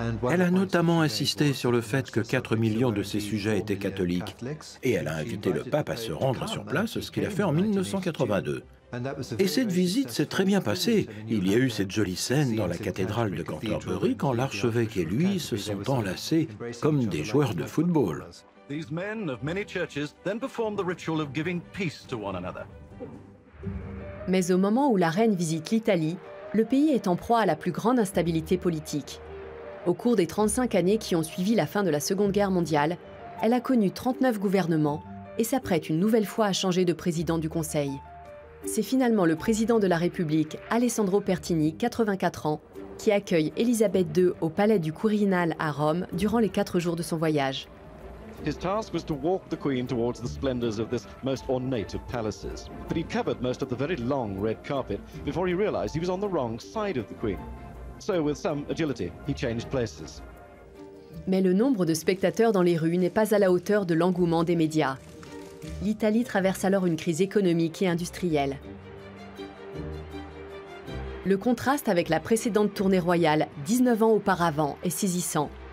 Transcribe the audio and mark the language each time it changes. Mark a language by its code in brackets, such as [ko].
[fr] Elle a notamment insisté sur le fait que 4 millions de ses sujets étaient catholiques et elle a invité le pape à se rendre sur place, ce qu'il a fait en 1982. Et cette visite s'est très bien passée. Il y a eu cette jolie scène dans la cathédrale de Canterbury quand l'archevêque et lui se sont enlacés comme des joueurs de football. [en] These men of many churches then performed the ritual of giving peace to one another. [fr] Mais au moment où la reine visite l'Italie, le pays est en proie à la plus grande instabilité politique. Au cours des 35 années qui ont suivi la fin de la Seconde Guerre mondiale, elle a connu 39 gouvernements et s'apprête une nouvelle fois à changer de président du Conseil. C'est finalement le président de la République, Alessandro Pertini, 84 ans, qui accueille Élisabeth II au palais du Quirinal à Rome durant les 4 jours de son voyage. [en] His task was to walk the Queen towards the splendors of this most ornate of palaces, but he covered most of the very long red carpet before he realized he was on the wrong side of the Queen. So with some agility, he changed places. [fr] Mais le nombre de spectateurs dans les rues n'est pas à la hauteur de l'engouement des médias. L'Italie traverse alors une crise économique et industrielle. Le contraste avec la précédente tournée royale, 19 ans auparavant, est saisissant.